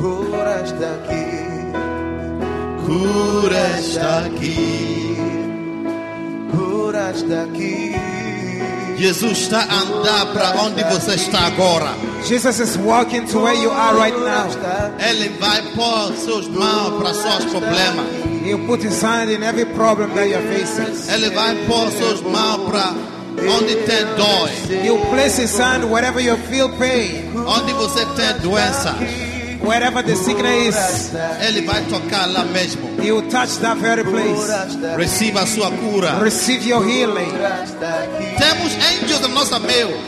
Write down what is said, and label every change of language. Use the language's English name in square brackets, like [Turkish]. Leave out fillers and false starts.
[Portuguese] Cura está aqui, cura está aqui, cura está aqui. Jesus está andando para onde você está agora. [English] Jesus is walking to where you are right now. [Portuguese] Ele vai pôr suas mãos para seus problemas. [English] He put his hand in every problem that you're facing. [Portuguese] Ele vai pôr suas mãos para onde tem dor. [English] He place his hand wherever you feel pain. [Portuguese] Onde você tem doença. [English] Wherever the sickness is, [Portuguese] ele vai tocar lá mesmo. [English] He will touch that very place. [Portuguese] Receive a sua cura. [English] Receive your healing. [Portuguese] Temos anjos no nosso meio.